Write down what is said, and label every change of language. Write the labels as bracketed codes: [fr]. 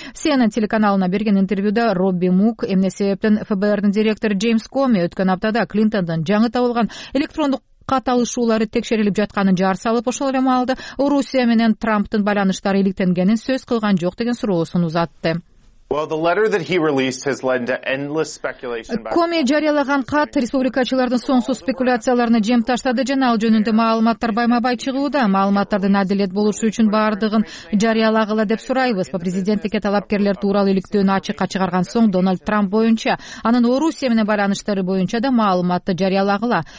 [ky] CNN телеканалына берген интервьюда Робби Мук эмне себептен ФБРдин директору Джеймс Коми өткөн аптада Клинтондон жаңы табылган электрондук кат алышуулары текшерилип жатканын жар салып, ошол эле маалда Орусия менен Трамптын байланыштары иликтенгенин сөз кылган жок деген суроосун узатты. [en] Well, the letter that he released has led to endless speculation about. [ky] Коми жарыялаган кат республикачылардын сонсуз спекуляцияларына жем таштады жана ал жөнүндө маалыматтар байма-бай чыгууда. Маалыматтардын адилет болушу үчүн баардыгын жарыялагыла деп сурайбыз. Президенттикке талапкерлер тууралуу иликтөөнү ачыкка чыгарган соң Дональд Трамп боюнча анын Орусия менен байланыштары боюнча да маалыматты жарыялагыла.